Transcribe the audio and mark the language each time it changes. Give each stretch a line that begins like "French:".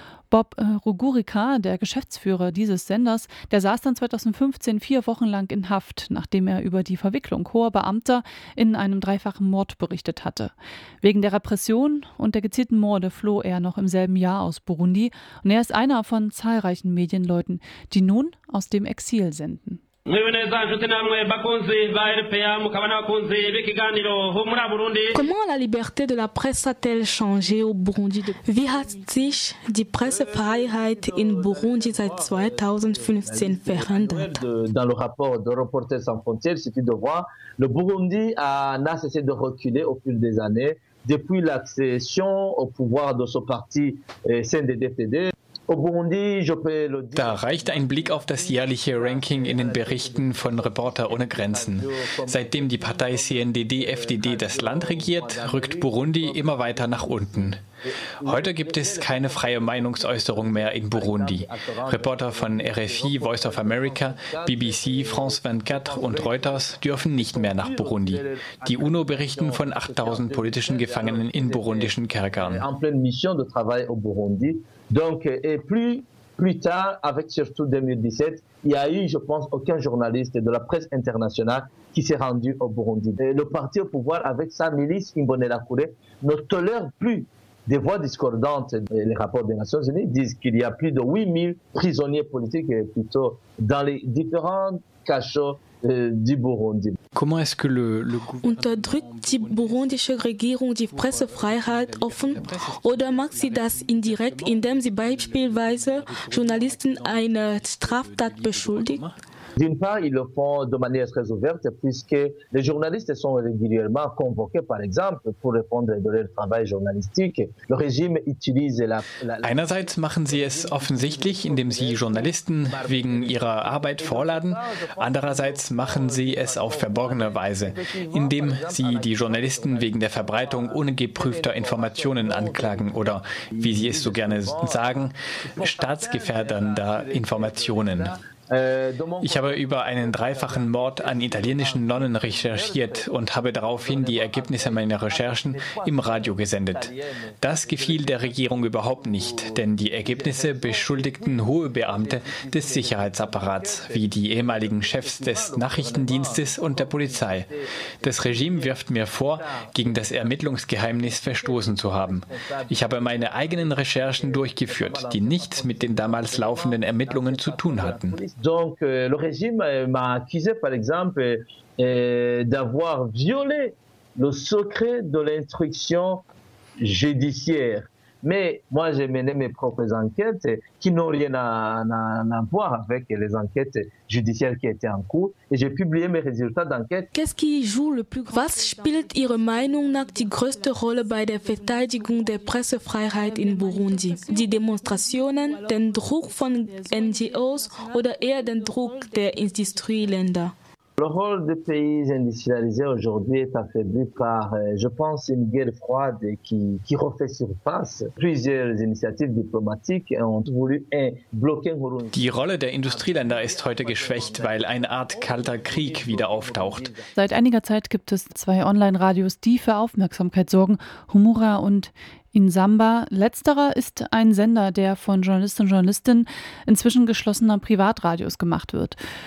German: Bob Rugurika, der Geschäftsführer dieses Senders, der saß dann 2015 vier Wochen lang in Haft, nachdem er über die Verwicklung hoher Beamter in einem dreifachen Mord berichtet hatte. Wegen der Repression und der gezielten Morde floh er noch im selben Jahr aus Burundi und er ist einer von zahlreichen Medienleuten, die nun aus dem Exil senden.
French: Comment la liberté de la presse a-t-elle changé au Burundi?
German: Wie hat sich die Pressefreiheit in Burundi seit 2015 verändert?
French: Dans le rapport de Reporters sans frontières, c'est de voir le Burundi n'a cessé de reculer au fil des années depuis l'accession au pouvoir de son parti CNDD-FDD.
German: Da reicht ein Blick auf das jährliche Ranking in den Berichten von Reporter ohne Grenzen. Seitdem die Partei CNDD-FDD das Land regiert, rückt Burundi immer weiter nach unten. Heute gibt es keine freie Meinungsäußerung mehr in Burundi. Reporter von RFI, Voice of America, BBC, France 24 und Reuters dürfen nicht mehr nach Burundi. Die UNO berichten von 8000 politischen Gefangenen in burundischen Kerkern.
French: Donc, et plus tard, avec surtout 2017, il n'y a eu, je pense, aucun journaliste de la presse internationale qui s'est rendu au Burundi. Et le parti au pouvoir, avec sa milice Imbonerakure, ne tolère plus des voix discordantes. Et les rapports des Nations Unies disent qu'il y a plus de 8000 prisonniers politiques plutôt dans les différents cachots du Burundi. Comment est-ce que le
German: unterdrückt die burundische Regierung die Pressefreiheit offen oder macht sie das indirekt, indem sie beispielsweise Journalisten einer Straftat beschuldigt?
French: D'une part, ils le font de manière très ouverte, puisque les journalistes sont régulièrement convoqués, par exemple, pour répondre de leur travail journalistique. Le régime utilise la.
German: Einerseits machen sie es offensichtlich, indem sie Journalisten wegen ihrer Arbeit vorladen. Andererseits machen sie es auf verborgene Weise, indem sie die Journalisten wegen der Verbreitung ungeprüfter Informationen anklagen oder, wie sie es so gerne sagen, staatsgefährdender Informationen. Ich habe über einen dreifachen Mord an italienischen Nonnen recherchiert und habe daraufhin die Ergebnisse meiner Recherchen im Radio gesendet. Das gefiel der Regierung überhaupt nicht, denn die Ergebnisse beschuldigten hohe Beamte des Sicherheitsapparats, wie die ehemaligen Chefs des Nachrichtendienstes und der Polizei. Das Regime wirft mir vor, gegen das Ermittlungsgeheimnis verstoßen zu haben. Ich habe meine eigenen Recherchen durchgeführt, die nichts mit den damals laufenden Ermittlungen zu tun hatten.
French: Donc, le régime m'a accusé, par exemple, d'avoir violé le secret de l'instruction judiciaire. Mais moi, j'ai mené mes propres enquêtes qui n'ont rien à voir avec les enquêtes judiciaires qui étaient en cours et j'ai publié mes résultats d'enquête. Qu'est-ce qui joue le plus grand rôle?
German: Was spielt Ihrer Meinung nach die größte Rolle bei der Verteidigung der Pressefreiheit in Burundi? Die Demonstrationen, den Druck von NGOs oder eher den Druck der Industrieländer?
French: Le rôle des pays industrialisés aujourd'hui est affaibli par, je pense, une guerre froide qui refait surface. Plusieurs initiatives diplomatiques ont voulu bloquer Burundi.
German: Die Rolle der Industrieländer ist heute geschwächt, weil eine Art kalter Krieg wieder auftaucht. Seit einiger Zeit gibt es zwei Online-Radios, die für Aufmerksamkeit sorgen: Humura und Insamba. Letzterer ist ein Sender, der von Journalistinnen und Journalisten inzwischen geschlossener Privatradios gemacht wird.